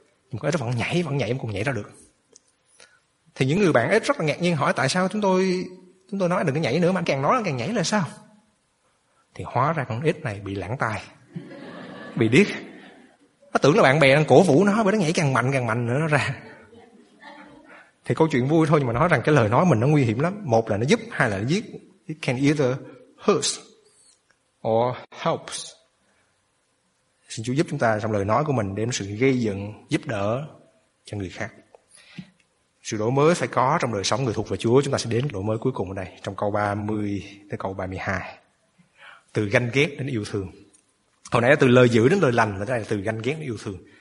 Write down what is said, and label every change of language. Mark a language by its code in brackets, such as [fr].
[vi] Nhưng con ếch vẫn nhảy, em cũng nhảy ra được. Thì những người bạn ếch rất là ngạc nhiên hỏi tại sao chúng tôi nói đừng có nhảy nữa mà anh càng nói là càng nhảy là sao? Thì hóa ra con ếch này bị lãng tai, bị điếc. Nó tưởng là bạn bè đang cổ vũ nó, bởi nó nhảy càng mạnh nữa nó ra. Thì câu chuyện vui thôi, nhưng mà nói rằng cái lời nói mình nó nguy hiểm lắm. Một là nó giúp, hai là nó giết. [en] It can either hurt or helps. [vi] Xin Chúa giúp chúng ta trong lời nói của mình đem sự gây dựng, giúp đỡ cho người khác. Sự đổi mới phải có trong đời sống người thuộc về Chúa. Chúng ta sẽ đến đổi mới cuối cùng ở đây, trong câu 30 tới câu 32. Từ ganh ghét đến yêu thương. Hồi nãy là từ lời dữ đến lời lành, và đây là từ ganh ghét đến yêu thương.